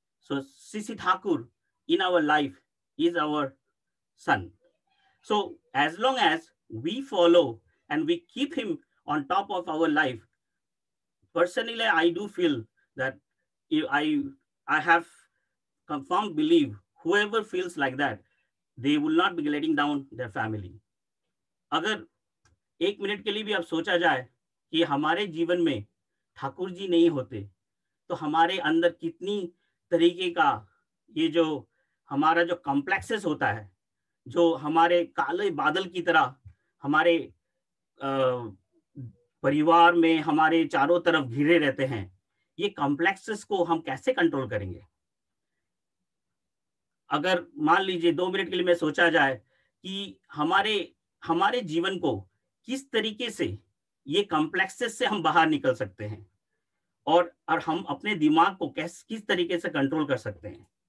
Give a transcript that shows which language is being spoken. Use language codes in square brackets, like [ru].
[en] So CC Thakur in our life is our son, so as long as we follow and we keep him on top of our life, personally I do feel that I have confirmed belief whoever feels like that they will not be letting down their family. [hi] Agar ek minute ke liye bhi aap socha jaye ki hamare jeevan mein thakur ji nahi hote to hamare andar kitni tarike ka ye jo hamara jo complexes hota hai jo hamare kale badal ki tarah hamare परिवार में हमारे चारों तरफ घिरे रहते हैं, ये complexes को हम कैसे कंट्रोल करेंगे। अगर मान लीजिए दो मिनट के लिए मैं सोचा जाए कि हमारे हमारे जीवन को किस तरीके से ये कॉम्प्लेक्सेस से हम बाहर निकल सकते हैं, और हम अपने दिमाग को कैसे किस तरीके से कंट्रोल कर सकते हैं।